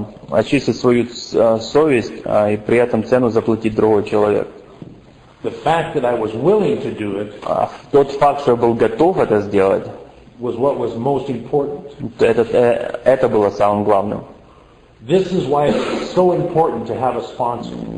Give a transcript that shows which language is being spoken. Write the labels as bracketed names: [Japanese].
[Russian] Очистить свою совесть, и при этом цену заплатить другой человек. [English] The fact that I was willing to do it, [Russian] тот факт, что я был готов это сделать, [English] was what was most important. [Russian] Это было самым главным. [English] This is why it's so important to have a sponsor.